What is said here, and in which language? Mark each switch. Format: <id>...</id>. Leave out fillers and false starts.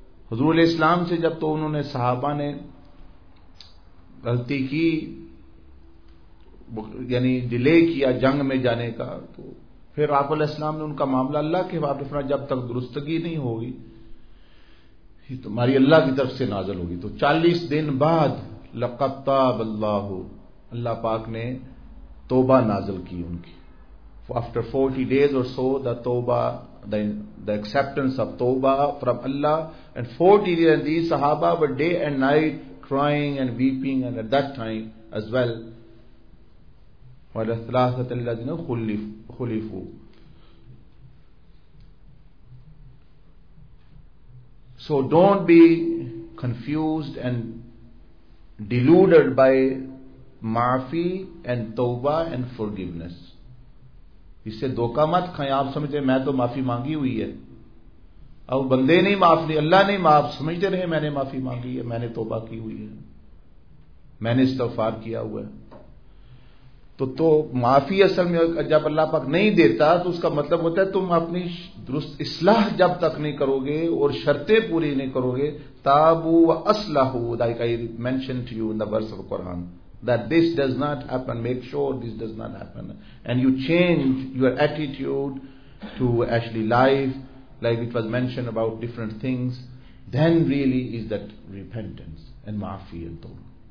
<ur>حضور علیہ السلام سے جب تو انہوں نے صحابہ نے غلطی کی یعنی ڈیلے کیا جنگ میں جانے کا, تو پھر آپ علیہ السلام نے ان کا معاملہ اللہ کے حوالے فرمایا, جب تک درستگی نہیں ہوگی یہ تمہاری اللہ کی طرف سے نازل ہوگی. تو 40 دن بعد</ur> <ar>لقد تاب اللہ,</ar> <ur>اللہ پاک نے توبہ نازل کی ان کی.</ur> <en>After 40 days or so, the tawbah, the acceptance of tawbah from Allah, and 40 days, and these sahaba were day and night crying and weeping, and at that time as well.</en> <ar>وَلَثْلَاثَةَ الَّذِينَ خُلِفُوا.</ar> <en>So don't be confused and deluded by maafi and tawbah and forgiveness.</en> <ur>اس سے دھوکا مت کھائیں. آپ سمجھتے ہیں میں تو معافی مانگی ہوئی ہے, اب بندے نہیں معاف نہیں, اللہ نہیں معاف, سمجھتے رہے میں نے معافی مانگی ہے, میں نے توبہ کی ہوئی ہے, میں نے استغفار کیا ہوا ہے. تو معافی اصل میں جب اللہ پاک نہیں دیتا تو اس کا مطلب ہوتا ہے تم اپنی درست اصلاح جب تک نہیں کرو گے اور شرطیں پوری نہیں کرو گے.</ur> <ar>تابو و اصلاحو,</ar> <en>I mention to you in the verse of Quran, that this does not happen, make sure this does not happen, and you change your attitude to actually life, like it was mentioned about different things, then really is that repentance and maafi and tawbah.</en>